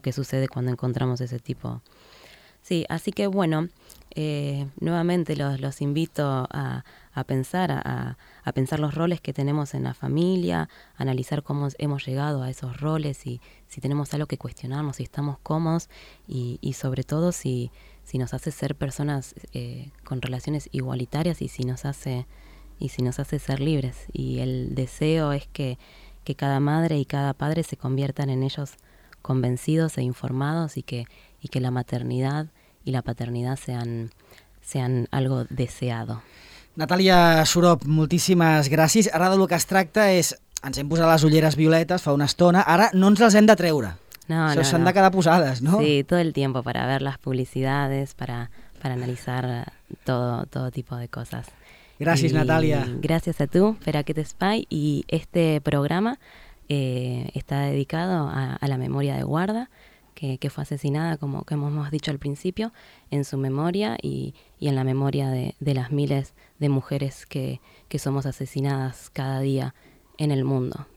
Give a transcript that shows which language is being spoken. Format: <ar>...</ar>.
<es>¿Qué sucede cuando encontramos ese tipo? Sí, así que bueno, nuevamente los invito a pensar los roles que tenemos en la familia, analizar cómo hemos llegado a esos roles y si tenemos algo que cuestionarnos, si estamos cómodos y sobre todo si nos hace ser personas con relaciones igualitarias y si nos hace ser libres. Y el deseo es que cada madre y cada padre se conviertan en ellos convencidos e informados y que la maternidad y la paternidad sean algo deseado.</es> <ca>Natàlia Surop, moltíssimes gràcies. Ara del que es tracta és, ens hem posat les ulleres violetes fa una estona, ara no ens les hem de treure. No, s'han de quedar posades, no?</ca> <es>Sí, todo el tiempo para ver las publicidades, para analizar todo tipo de cosas.</es> <ca>Gràcies, Natàlia. Gràcies a tu per aquest espai</ca> <es>i este programa está dedicado a la memoria de Guarda, que fue asesinada, como que hemos dicho al principio, en su memoria y en la memoria de las miles de mujeres que somos asesinadas cada día en el mundo.</es>